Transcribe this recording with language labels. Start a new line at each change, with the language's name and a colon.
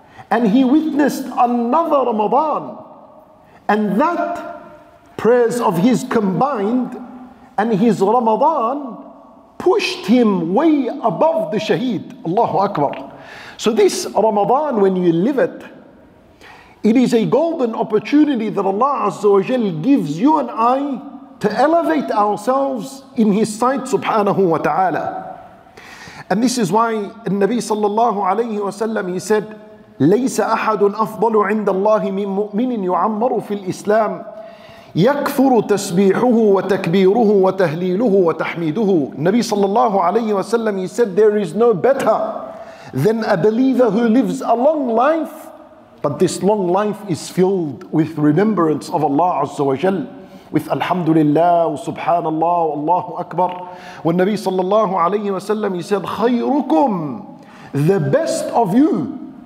English: And he witnessed another Ramadan. And that prayers of his combined and his Ramadan pushed him way above the shaheed. Allahu Akbar. So this Ramadan, when you live it, it is a golden opportunity that Allah Azza wa Jal gives you and I to elevate ourselves in His sight, subhanahu wa ta'ala. And this is why Nabi sallallahu alayhi wa sallam, he said,
Arabic: لَيْسَ أَحَدٌ أَفْضَلُ عِنْدَ اللَّهِ مِنْ مُؤْمِنٍ يُعَمَّرُ فِي الْإِسْلَامِ يَكْفُرُ تَسْبِيحُهُ وَتَكْبِيرُهُ وَتَهْلِيلُهُ وَتَحْمِيدُهُ.
English: Nabi sallallahu alayhi wa sallam, he said, there is no better than a believer who lives a long life, but this long life is filled with remembrance of Allah Azza wa Jal, with Alhamdulillah, Subhanallah, Allahu Akbar. When Nabi sallallahu alayhi wa sallam, he said, Khayrukum, the best of you.